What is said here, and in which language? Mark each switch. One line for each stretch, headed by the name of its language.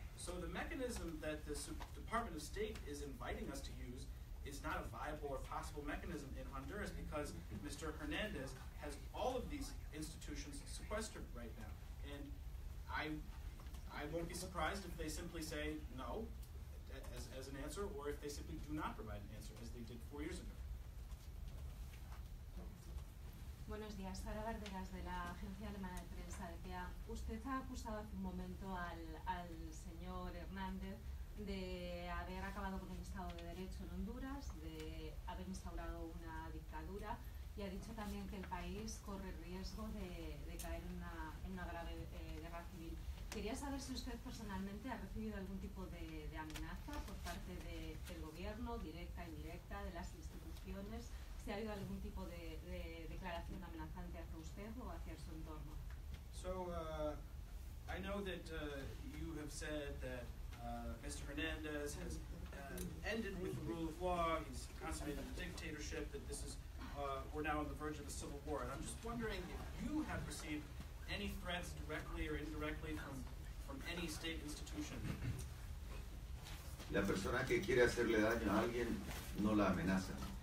English: So the mechanism that the Department of State is inviting us to use is not a viable or possible mechanism in Honduras because Mr. Hernandez has all of these institutions sequestered right now. And I won't be surprised if they simply say no, as an answer, or if they simply do not provide an answer, as they did 4 years ago.
Spanish: Buenos días, Sara Vargas de la Agencia Alemana de Prensa de PA. Usted ha acusado hace un momento al señor Hernández de haber acabado con el Estado de Derecho en Honduras, de haber instaurado una dictadura, y ha dicho también que el país corre riesgo de caer en una grave guerra civil. Quería saber si usted personalmente ha recibido algún tipo de amenaza por parte del gobierno, directa e indirecta, de las instituciones, si ha habido algún tipo de declaración amenazante hacia usted o hacia su entorno.
English: So, I know that you have said that Mr. Hernandez has ended with the rule of law, he's consummated a dictatorship, that this is, we're now on the verge of a civil war. And I'm just wondering if you have received any threats directly or indirectly from any state institution.
Spanish: La persona que quiere hacerle daño a alguien no la amenaza.